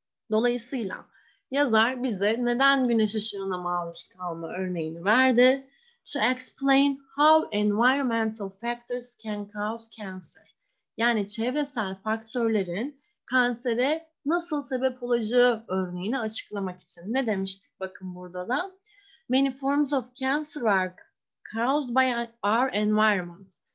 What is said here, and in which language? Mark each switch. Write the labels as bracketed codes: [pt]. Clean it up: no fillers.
[tr] Dolayısıyla yazar bize neden güneş ışığına maruz kalma örneğini verdi? [en] To explain how environmental factors can cause cancer. [tr] Yani çevresel faktörlerin kansere nasıl sebep olacağı örneğini açıklamak için. Ne demiştik bakın burada da? [en] Many forms of cancer are caused by our environment.